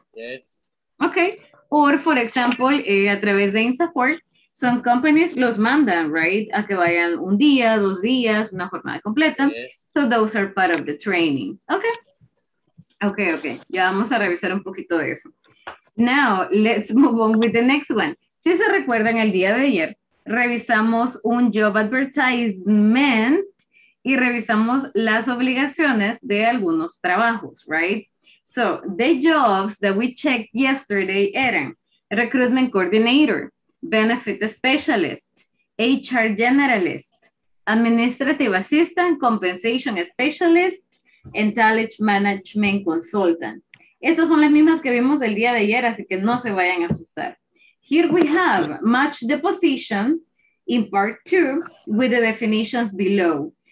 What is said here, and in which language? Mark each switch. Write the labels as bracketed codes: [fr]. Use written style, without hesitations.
[en] Yes. Okay. Or, for example, [es] a través de [en] INSAFORP, some companies [es] los mandan, [en] right? [es] A que vayan un día, dos días, una jornada completa. [en] Yes. So those are part of the training. Okay. Okay, okay. [es] Ya vamos a revisar un poquito de eso. [en] Now, let's move on with the next one. [es] Si se recuerdan, el día de ayer, revisamos un job advertisement y revisamos las obligaciones de algunos trabajos, right? [en] So, the jobs that we checked yesterday eran recruitment coordinator, benefit specialist, HR generalist, administrative assistant, compensation specialist, and talent management consultant. [es] Estas son las mismas que vimos el día de ayer, así que no se vayan a asustar. [en] Here we have match the positions in part two with the definitions below.